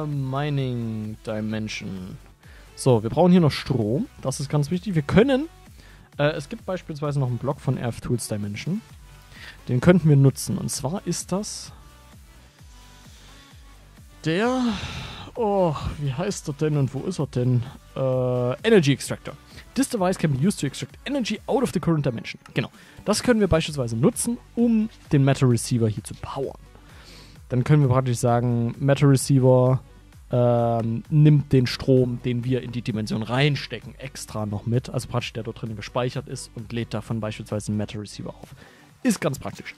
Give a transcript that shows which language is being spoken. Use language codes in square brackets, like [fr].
[de] Mining Dimension. So, wir brauchen hier noch Strom. Das ist ganz wichtig. Wir können... es gibt beispielsweise noch einen Block von Earth Tools Dimension. Den könnten wir nutzen. Und zwar ist das... Der... Oh, wie heißt er denn und wo ist er denn? Energy Extractor. [en] This device can be used to extract energy out of the current dimension. [de] Genau. Das können wir beispielsweise nutzen, um den Matter Receiver hier zu powern. Dann können wir praktisch sagen, Matter Receiver nimmt den Strom, den wir in die Dimension reinstecken, extra noch mit. Also praktisch, der dort drin gespeichert ist und lädt davon beispielsweise einen Matter Receiver auf. Ist ganz praktisch.